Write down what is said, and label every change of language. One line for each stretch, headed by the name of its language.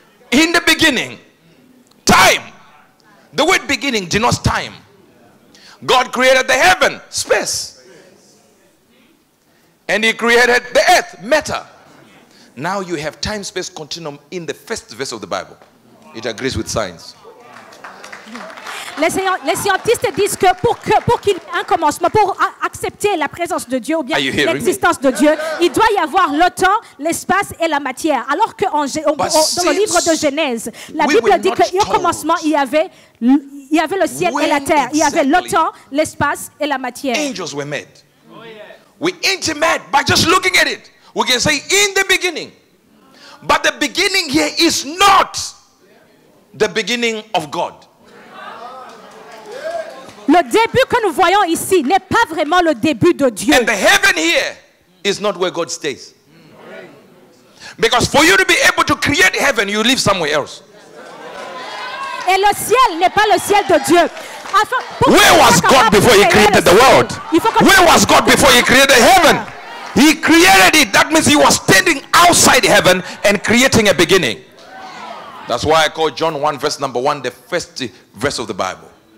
English: In the beginning, time. The word beginning denotes time. God created the heaven, space. And he created the earth, matter. Now you have time-space continuum in the first verse of the Bible. It agrees with science.
French: Les scientifiques disent que pour qu'il y ait un commencement, pour accepter la présence de Dieu ou bien l'existence de Dieu, il doit y avoir le temps, l'espace et la matière. Alors que dans le livre de Genèse, la Bible dit qu'au commencement, il y avait le ciel et la terre. Il y avait le temps, l'espace et la matière.
English: Angels were made. We intimate by just looking at it. We can say in the beginning. But the beginning here is not the beginning of God.
French: Le début que nous voyons ici n'est pas vraiment le début de Dieu.
English: And the heaven here is not where God stays. Because for you to be able to create heaven, you live somewhere else.
French: Et le ciel n'est pas le ciel de Dieu.
English: Where was God before he created the world? Where was God before he created heaven? He created it. That means he was standing outside heaven and creating a beginning. That's why I call John 1 verse number 1 the first verse of the Bible.